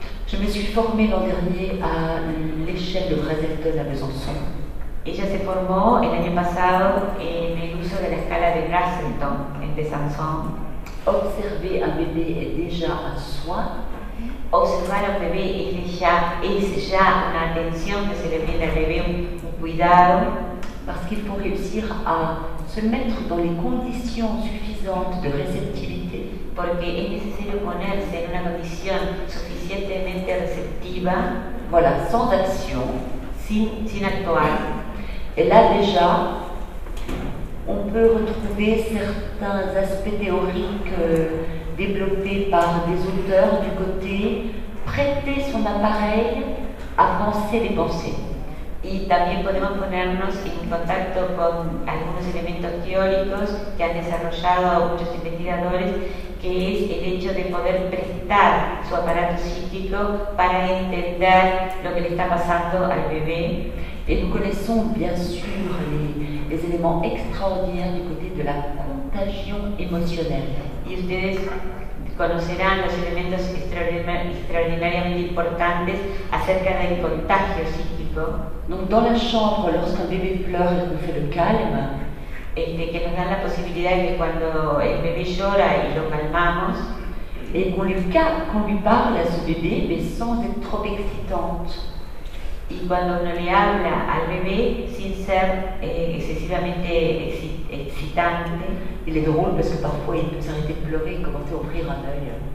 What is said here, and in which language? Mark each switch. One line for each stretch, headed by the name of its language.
French: Je me suis formée l'an dernier à l'échelle de Graselton à Besançon.
Spanish: Ella se formó el año pasado en el uso de la escala de Graselton en Besançon.
French: Observer un bébé est déjà un soin.
Spanish: Observar a un bebé es ya una atención que se le brinda al bebé, un cuidado.
French: Parce qu'il faut réussir à se mettre dans les conditions suffisantes de réceptivité.
Spanish: Porque es necesario ponerse en una condición suficientemente receptiva.
French: Voilà, sans action.
Spanish: Sin actuar.
French: Et là déjà, on peut retrouver certains aspects théoriques développés par des auteurs du côté prêter son appareil avancer les pensées.
Spanish: Y también podemos ponernos en contacto con algunos elementos teóricos que han desarrollado muchos investigadores, que es el hecho de poder prestar su aparato psíquico para entender lo que le está pasando al bebé.
French: Et nous connaissons bien sûr les éléments extraordinaires du côté de la contagion émotionnelle.
Spanish: Y ustedes conocerán los elementos extraordinariamente importantes acerca del contagio psíquico.
French: Donc dans la chambre, lorsqu'un bébé pleure, il nous fait le calme.
Spanish: Que nos dan la posibilidad de cuando el bebé llora y lo calmamos.
French: Et qu'on lui parle à ce bébé, mais sans être trop excitante.
Spanish: Y cuando uno le habla al bebé, sin ser excesivamente excitante.
French: Il est drôle parce que parfois il peut s'arrêter de pleurer et commencer à ouvrir un œil.